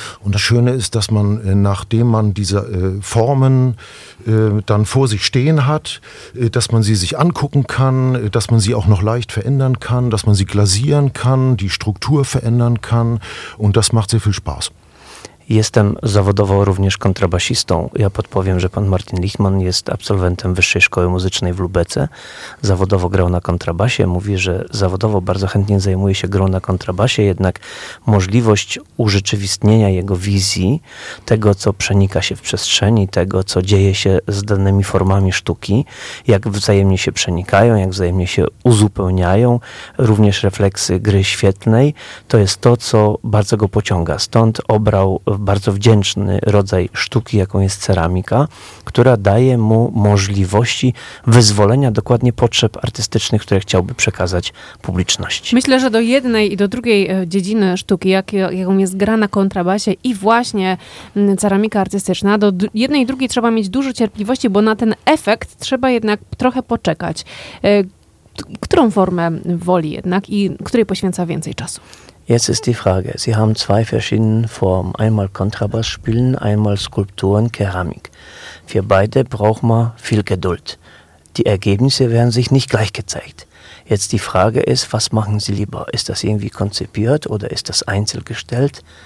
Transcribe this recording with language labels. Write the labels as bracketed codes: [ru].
[de] Und das Schöne ist, dass man, nachdem man diese Formen dann vor sich stehen hat, dass man sie sich angucken kann, dass man sie auch noch leicht verändern kann, dass man sie glasieren kann, die Struktur verändern kann. Und das macht sehr viel Spaß. [pl] Jestem zawodowo również kontrabasistą. Ja podpowiem, że pan Martin Lichtman jest absolwentem Wyższej Szkoły Muzycznej w Lubece. Zawodowo grał na kontrabasie. Mówi, że zawodowo bardzo chętnie zajmuje się grą na kontrabasie, jednak możliwość urzeczywistnienia jego wizji, tego, co przenika się w przestrzeni, tego, co dzieje się z danymi formami sztuki, jak wzajemnie się przenikają, jak wzajemnie się uzupełniają, również refleksy gry świetlnej, to jest to, co bardzo go pociąga. Stąd obrał bardzo wdzięczny rodzaj sztuki, jaką jest ceramika, która daje mu możliwości wyzwolenia dokładnie potrzeb artystycznych, które chciałby przekazać publiczności. Myślę, że do jednej i do drugiej dziedziny sztuki, jaką jest gra na kontrabasie i właśnie ceramika artystyczna, do jednej i drugiej trzeba mieć dużo cierpliwości, bo na ten efekt trzeba jednak trochę poczekać. Którą formę woli jednak i której poświęca więcej czasu? [de] Jetzt ist die Frage, Sie haben zwei verschiedene Formen, einmal Kontrabass spielen, einmal Skulpturen, Keramik. Für beide braucht man viel Geduld. Die Ergebnisse werden sich nicht gleich gezeigt. Jetzt die Frage ist, was machen Sie lieber? Ist das irgendwie konzipiert oder ist das einzelgestellt?